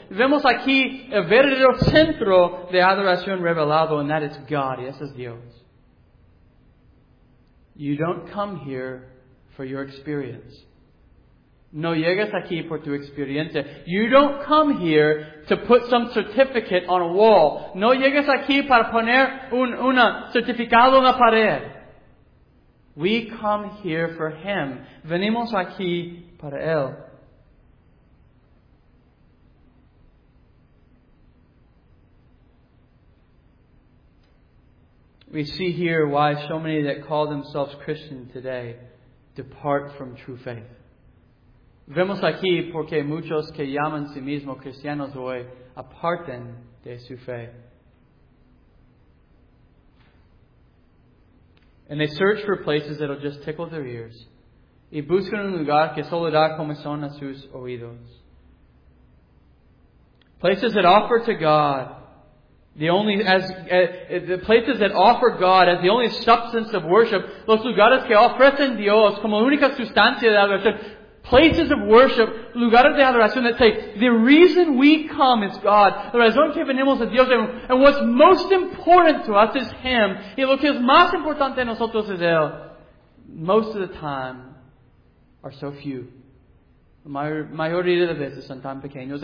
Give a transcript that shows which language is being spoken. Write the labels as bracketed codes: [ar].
[es] Vemos aquí el verdadero centro de adoración revelado, [en] and that is God. [es] Y ese es Dios. [en] You don't come here for your experience. [es] No llegas aquí por tu experiencia. [en] You don't come here to put some certificate on a wall. [es] No llegas aquí para poner un certificado en la pared. [en] We come here for Him. [es] Venimos aquí para Él. [en] We see here why so many that call themselves Christian today depart from true faith. [es] Vemos aquí porque muchos que llaman sí mismos cristianos hoy aparten de su fe. [en] And they search for places that will just tickle their ears. [es] Y buscan un lugar que solo da comezón a sus oídos. [en] Places that offer to God the only substance of worship. [es] Los lugares que ofrecen Dios como única sustancia de adoración. [en] Places of worship, [es] lugares de adoración [en] that say, the reason we come is God. [es] La razón que venimos es Dios. [en] And what's most important to us is Him. [es] Y lo que es más importante a nosotros es Él. [en] Most of the time are so few. [es] La mayoría de las veces son tan pequeños.